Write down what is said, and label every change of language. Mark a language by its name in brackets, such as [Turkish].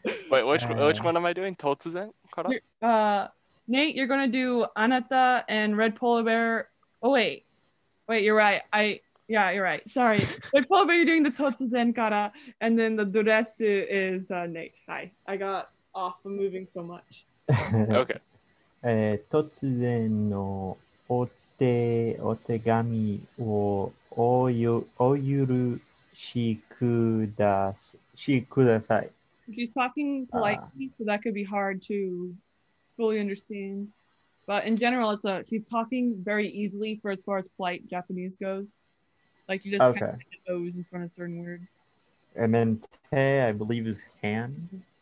[English] Wait, which one am I doing? Totsuzen? Nate, you're gonna do Anata and Red Polar Bear. Oh wait, you're right. You're right. Sorry, Red Polar Bear, you're doing the Totsuzen Kara, and then the Duresu is Nate. Hi, I got. Off of moving so much. Okay. [Japanese] 突然のお手 お手紙 を お許しください。 [English] She's talking politely, so that could be hard to fully understand. But in general, she's talking very easily for as far as polite Japanese goes. Like you just okay. Kind of O's in front of certain words. And then te, I believe, is hand.